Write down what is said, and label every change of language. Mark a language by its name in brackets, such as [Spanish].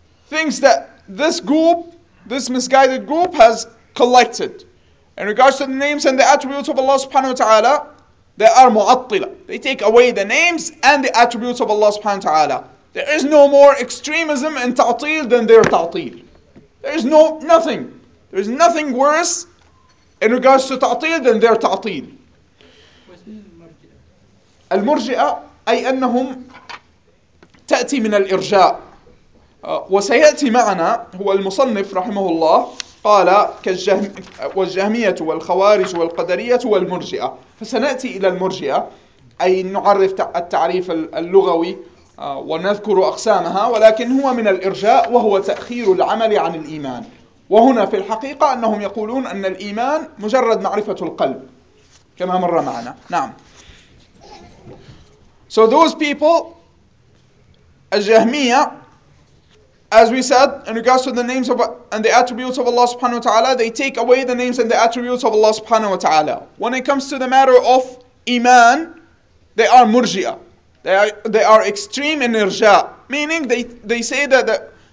[English] things that this group this misguided group has collected in regards to the names and the attributes of Allah subhanahu wa ta'ala they are معطلة they take away the names and the attributes of Allah subhanahu wa ta'ala there is no more extremism in تعطيل than their تعطيل There is no nothing. There is nothing worse in regards to ta'atil than their ta'atil. [Arabic] المرجئة أي أنهم تأتي من الإرجاء. وسيأتي معنا هو المصنف رحمه الله قال والجهمية والخوارج والقدرية والمرجئة. فسنأتي إلى المرجئة أي نعرف التعريف اللغوي. ونذكر أقسامها ولكن هو من الإرجاء وهو تأخير العمل عن الإيمان وهنا في الحقيقة أنهم يقولون أن الإيمان مجرد معرفة القلب كما مر معنا نعم [English] So those people الجهمية As we said in regards to the names of and the attributes of Allah subhanahu wa ta'ala they take away the names and the attributes of Allah subhanahu wa ta'ala when it comes to the matter of iman they are murji'ah They are extreme in irja, meaning they say that